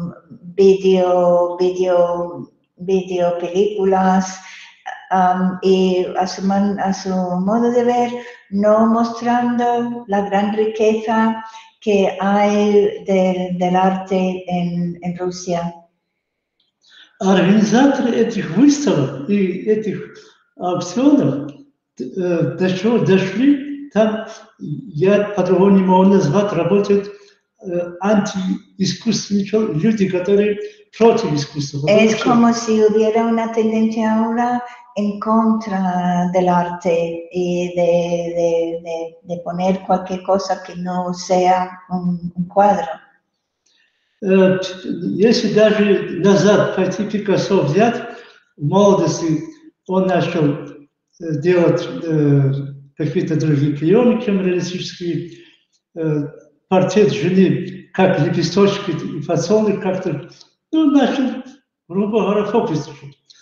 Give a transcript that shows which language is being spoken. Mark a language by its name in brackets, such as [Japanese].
[Spanish] video películas, y a su modo de ver, no mostrando la gran riqueza que hay del arte en Rusia. [Russian] Организаторы этих выставок и этих аукционов до чего дошли, там, я по-другому не могу назвать, работают антиискусственные люди, которые против искусства. [Spanish] Es como si hubiera una tendencia ahora en contra del arte y de poner cualquier cosa que no sea un cuadro. [Russian] Если даже назад пойти Пикассо взять, в молодости он начал делать какие-то другие приемы, чем реалистические. Портрет жены, как лепесточки и подсолнух как-то, ну, начал, грубо говоря, фокусировать.